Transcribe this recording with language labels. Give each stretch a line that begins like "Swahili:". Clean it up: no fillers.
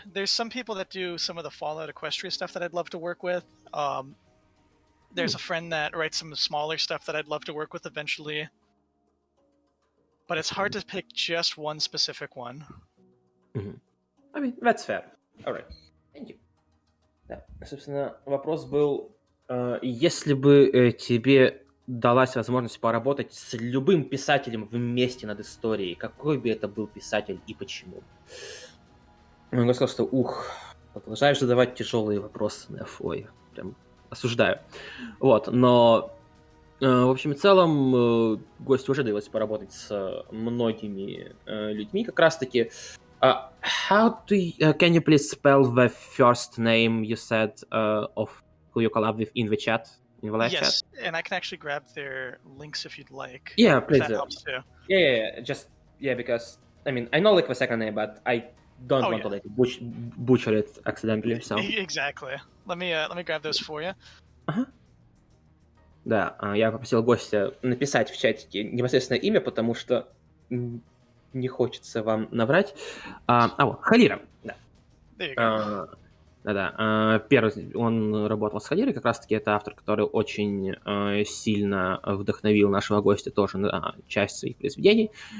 English: There's some people that do some of the Fallout Equestria stuff that I'd love to work with. There's a friend that writes some smaller stuff that I'd love to work with eventually. But it's hard to pick just one specific one. Mm-hmm. I mean, that's fair. All right. Thank you.
Russian: Да. Собственно, вопрос был, если бы тебе далась возможность поработать с любым писателем вместе над историей, какой бы это был писатель и почему? Он сказал, что ух, продолжаешь задавать тяжелые вопросы, Неф, ой, прям осуждаю. Вот, но в общем и целом гость уже довелось поработать с многими людьми как раз-таки.
English: Can you please spell the first name you said of who you collab with in the chat? In the live chat? And I can actually grab their links if you'd like. Yeah, please. That helps too. Yeah, yeah, yeah. Just, yeah, because, I mean, I know like the second name, but I don't want to like butcher it accidentally, so. Exactly. Let me grab those for you.
Russian: Uh-huh. Да, я попросил гостя написать в чатике непосредственно имя, потому что не хочется вам наврать. Халира. Да. Да-да. Первый, он работал с Халирой, как раз-таки это автор, который очень сильно вдохновил нашего гостя тоже на часть своих произведений.